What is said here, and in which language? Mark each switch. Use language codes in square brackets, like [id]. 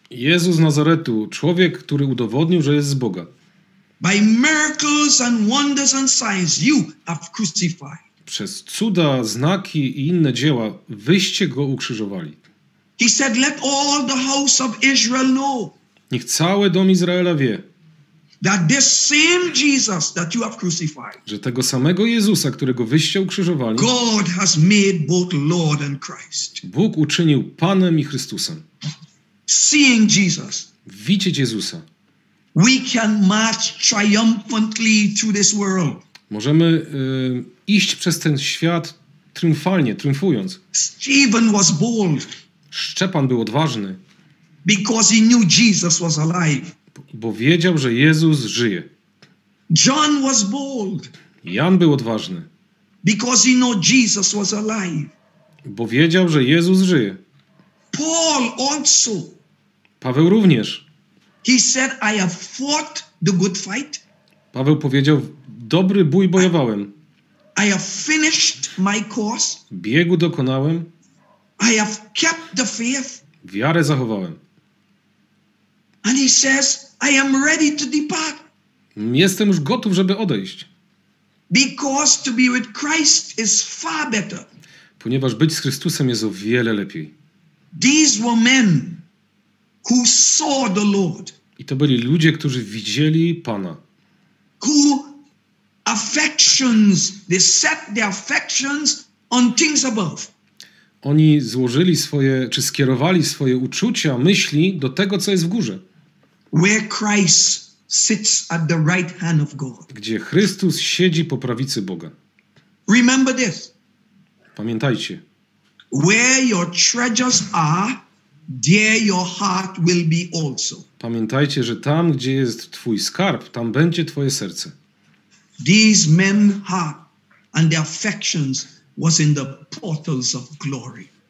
[pl] Jezus Nazaretu, człowiek, który udowodnił, że jest z Boga. [en] By miracles and wonders and signs you have crucified. [pl] Przez cuda, znaki i inne dzieła wyście go ukrzyżowali. [en] He said, let all the house of Israel know. [pl] Niech cały dom Izraela wie. [en] That this same Jesus that you have crucified. [pl] Że tego samego Jezusa, którego wyście ukrzyżowali. [en] God has made both Lord and Christ. [pl] Bóg uczynił Panem i Chrystusem. [en] Seeing Jesus. [pl] Widzieć Jezusa. [en] We can march triumphantly through this world. [pl] Możemy iść przez ten świat triumfalnie, triumfując. [en] Stephen was bold. [pl] Szczepan był odważny. [en] Because he knew Jesus was alive. [pl] Bo wiedział, że Jezus żyje. [en] John was bold. [pl] Jan był odważny. [en] Because he knew Jesus was alive. [pl] Bo wiedział, że Jezus żyje. [en] Paul also. [pl] Paweł również. [en] He said, I have fought the good fight. [pl] Paweł powiedział, dobry bój bojowałem. [en] I have finished my course. [pl] Biegu dokonałem. [en] I have kept the faith. [pl] Wiarę zachowałem. [en] And he says, I am ready to depart. [pl] Jestem już gotów, żeby odejść. [en] Because to be with Christ is far better. [pl] Ponieważ być z Chrystusem jest o wiele lepiej. [en] These were men who saw the Lord. [pl] I to byli ludzie, którzy widzieli Pana. [en] Who affections, they set their affections on things above. [pl] Oni złożyli swoje, czy skierowali swoje uczucia, myśli do tego, co jest w górze. [en] Where Christ sits at the right hand of God. [pl] Gdzie Chrystus siedzi po prawicy Boga. [en] Remember this. [pl] Pamiętajcie. [en] Where your treasures are, there your heart will be also. [pl] Pamiętajcie, że tam, gdzie jest twój skarb, tam będzie twoje serce. [en] These men's heart and their affections was in the portals of glory.